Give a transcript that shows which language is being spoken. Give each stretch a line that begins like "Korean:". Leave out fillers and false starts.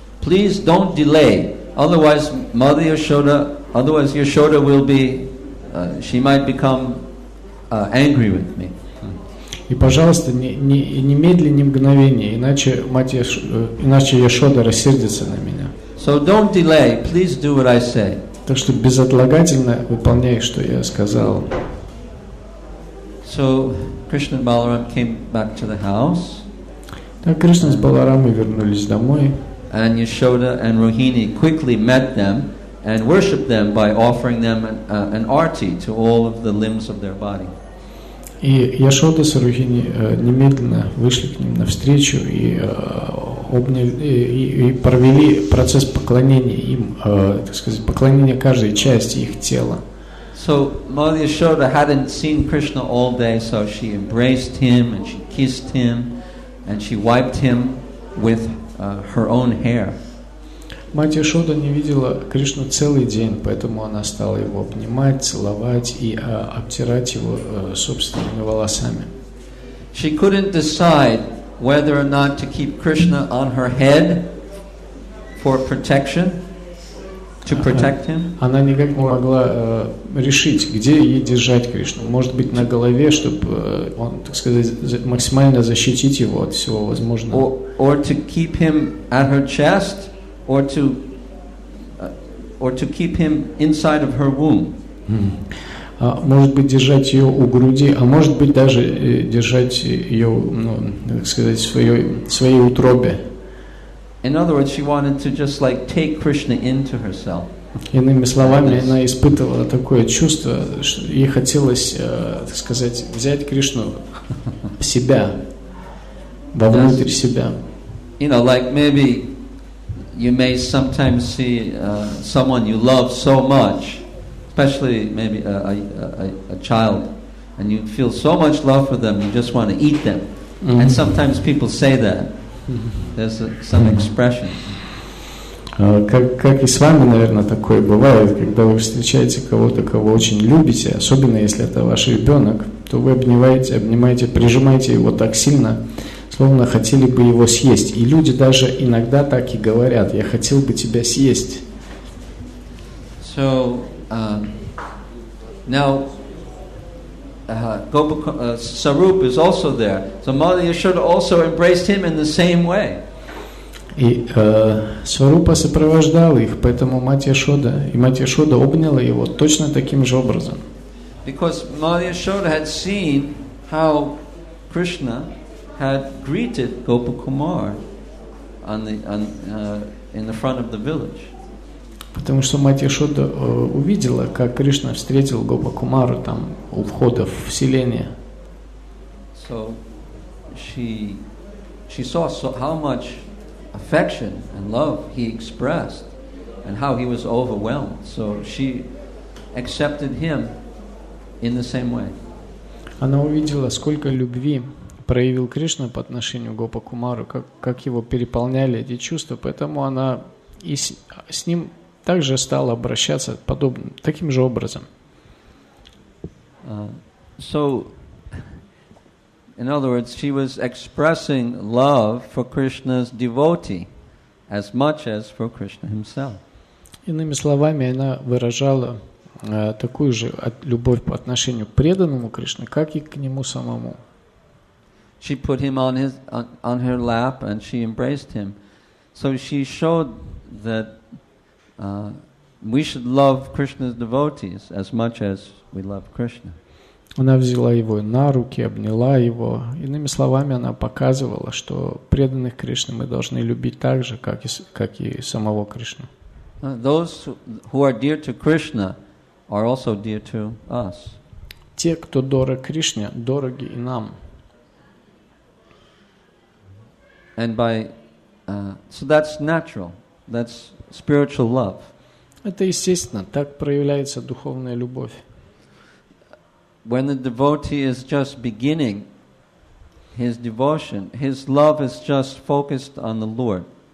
English: Please don't delay, otherwise Mother Yashoda, otherwise Yashoda will be, she might become angry with me.
Russian: И пожалуйста, не медли ни мгновения, иначе иначе Яшода рассердится на меня.
English: So don't delay, please do what I say.
Russian: Так что безотлагательно выполняй, что я сказал.
English: So Krishna and Balaram came back to the house.
Russian: Так Кришна с Баларамой вернулись домой.
English: And Yashoda and Rohini quickly met them and worshiped them by offering them an arti to all of the limbs of their body.
Russian: И Яшода с Рухини немедленно вышли к ним навстречу и обняли и провели процесс поклонения им, так сказать, поклонения каждой части их тела.
English: So Mother Yashoda hadn't seen Krishna all day, so she embraced him and she kissed him and she wiped him with her own hair.
Russian: Мать Яшода не видела Кришну целый день, поэтому она стала его обнимать, целовать и обтирать его собственными волосами.
English: She couldn't decide whether or not to keep Krishna on her head for protection, to protect him.
Russian: Она никак не могла решить, где ей держать Кришну. Может быть, на голове, чтобы он, так сказать, максимально защитить его от всего возможного.
English: Or to keep him at her chest, or to keep him inside of her womb.
Russian: Может быть, держать ее у груди, а может быть, даже держать ее, ну, так сказать, в своей утробе.
English: In other words, she wanted to just like take Krishna into herself.
Russian: Иными словами, она испытывала такое чувство, что ей хотелось, так сказать, взять Кришну в себя, вовнутрь себя.
English: You know, like maybe you may sometimes see someone you love so much, especially maybe a child, and you feel so much love for them, you just want to eat them. Mm-hmm. And sometimes people say that. There's some expression.
Russian: Как и с вами, наверное, такое бывает, когда вы встречаете кого-то, кого очень любите, особенно если это ваш ребенок, то вы обнимаете, прижимаете его так сильно, словно хотели бы его съесть. И люди даже иногда так и говорят: «Я хотел бы тебя съесть».
English: So, now, Sarup is also there. So Mother Yashoda also embraced him in the same way.
Russian: И Сварупа сопровождал их, поэтому мать Яшода обняла его точно таким же образом.
English: Because Mother Yashoda had seen how Krishna had greeted Gopakumar in the front of the village.
Russian: Потому что мать Яшода увидела, как Кришна встретил Гопакумару там у входа в селение.
English: So she saw how much affection and love he expressed and how he was overwhelmed. So she accepted him in the same way.
Russian: Она увидела, сколько любви проявил Кришна по отношению к Гопа-Кумару, как его переполняли эти чувства, поэтому она и с ним также стала обращаться подобным, таким же образом.
English: So, in other words, she was expressing love for Krishna's devotee as much as for Krishna himself.
Russian: Иными словами, она выражала такую же любовь по отношению к преданному Кришне, как и к нему самому.
English: She put him on her lap and she embraced him. So she showed that we should love Krishna's devotees as much as we love Krishna.
Russian: Она взяла его на руки, обняла его. Иными словами, она показывала, что преданных Кришне мы должны любить так же, как и самого Кришну.
English: Those who are dear to Krishna are also dear to us.
Russian: Те, кто дорог Кришне, дороги и нам.
English: And by so that's natural. That's spiritual love.
Russian: Это естественно, так проявляется духовная любовь.
English: When the devotee is just beginning his devotion, his love is just focused on the Lord.